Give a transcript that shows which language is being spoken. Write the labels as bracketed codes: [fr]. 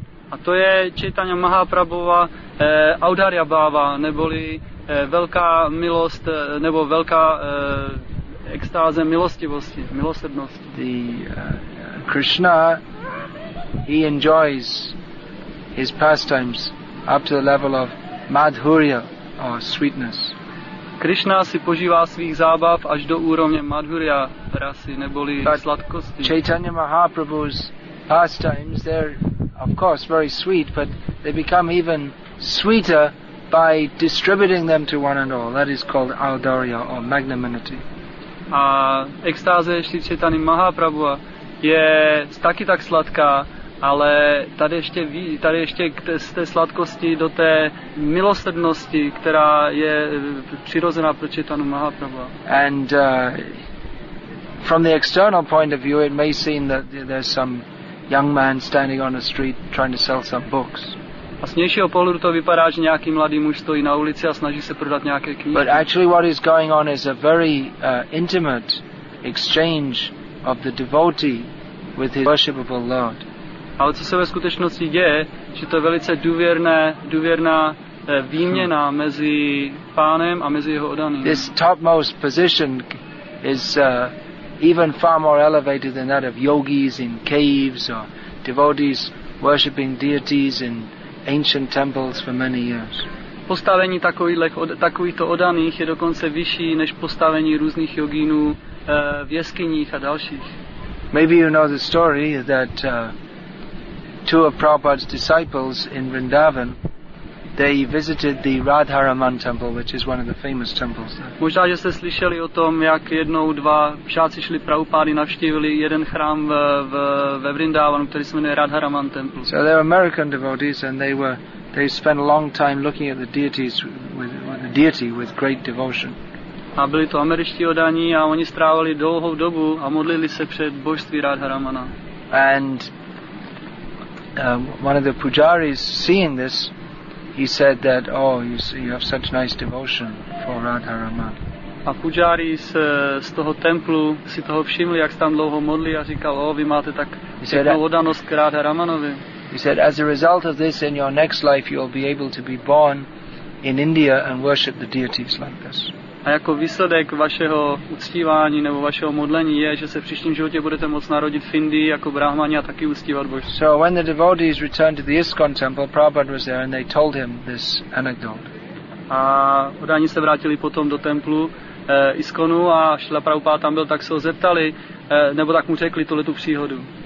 [cs] A to je Chaitanya Mahaprabhuva Audarya Bhava, neboli velká milost nebo velká extáze milostivosti, milosrdnosti. [en] Krishna, he enjoys his pastimes up to the level of madhurya or sweetness. [cs] Krishna si požívá svých zábav až do úrovně madhurya, rasy, neboli sladkosti. [en] Chaitanya Mahaprabhu's pastimes, they're of course very sweet, but they become even sweeter by distributing them to one and all. That is called audarya or magnanimity. [cs] A extáze Shri Chaitany Mahaprabhu je taky tak sladká, ale tady ještě z té sladkosti do té milosrdnosti, která je přirozená pro Chaitanu Mahaprabhu. [en] And from the external point of view, it may seem that there's some young man standing on the street trying to sell some books. [cs] A z vnějšího pohledu to vypadá, že nějaký mladý muž stojí na ulici a snaží se prodat nějaké knihy. [en] But actually what is going on is a very intimate exchange of the devotee with his worshipable Lord. [cs] Ale co se ve skutečnosti děje, že to je velice důvěrná výměna mezi pánem a mezi jeho oddaným. [en] This topmost position is even far more elevated than that of yogis in caves or devotees worshipping deities in ancient temples for many years. [cs] Postavení takovýchto oddaných je dokonce vyšší než postavení různých jogínů v jeskyních a dalších. [en] Maybe you know the story that two of Prabhupada's disciples in Vrindavan, they visited the Radharaman temple, which is one of the famous temples there. [cs] Možná jste slyšeli o tom, jak jednou dva žáci šli Prabhupády navštívili jeden chrám ve Vrindavanu, který se jmenuje Radharaman temple. [en] So they were American devotees and they spent a long time looking at the deities with the deity with great devotion. [cs] A byli to američtí oddaní a oni strávili dlouhou dobu a modlili se před božství Radharamana. [en] And one of the pujaris seeing this, he said that, oh, you see, you have such nice devotion for Radharaman. [cs] A pujari z toho templu si toho všimli, jak se tam dlouho modlí a říkal, oh, vy máte tak pěknou oddanost k Radharamanovi. [en] He said, as a result of this, in your next life, you'll be able to be born in India and worship the deities like this. [cs] A jako výsledek vašeho uctívání nebo vašeho modlení je, že se v příštím životě budete moct narodit v Indii jako brahmani a taky uctívat božství. [en] So when the devotees returned to the ISKCON temple, Prabhupada was there and they told him this anecdote. [cs] A oddáni se vrátili potom do templu ISKCONu a Šrila Prabhupáda tam byl, tak se ho zeptali, nebo tak mu řekli tuhle tu příhodu.